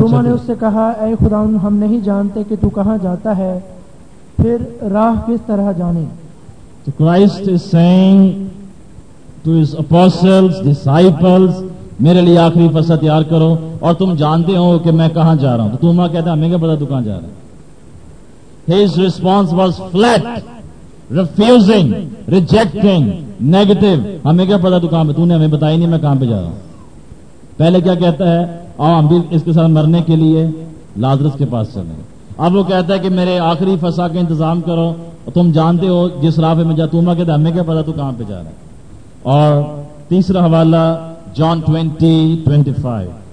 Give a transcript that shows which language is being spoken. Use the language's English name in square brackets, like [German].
[Urdu] تم نے اس سے کہا اے خدا ہم نہیں جانتے کہ تو کہاں جاتا ہے, پھر راہ کس طرح جانے. تو [English] Christ is saying to his apostles, disciples, [Urdu] میرے لیے آخری فصح تیار کرو, اور تم جانتے ہو کہ میں کہاں جا رہا ہوں. تو توما کہتا ہے ہمیں کیا پتا تو کہاں جا رہا ہے. [English] His response was flat, refusing, rejecting, negative. [Urdu] ہمیں کیا پتا تو کہاں پہ, تو نے ہمیں بتایا نہیں میں کہاں پہ جا رہا ہوں. پہلے کیا کہتا ہے؟ آؤ ہم بھی اس کے ساتھ مرنے کے لیے لازرس کے پاس چلیں. اب وہ کہتا ہے کہ میرے آخری فصح کا انتظام کرو, تم جانتے ہو جس راہ پہ میں جا. توما کہتا ہے ہمیں کیا پتا تو کہاں پہ جا رہا ہے. اور تیسرا حوالہ جان 20:25.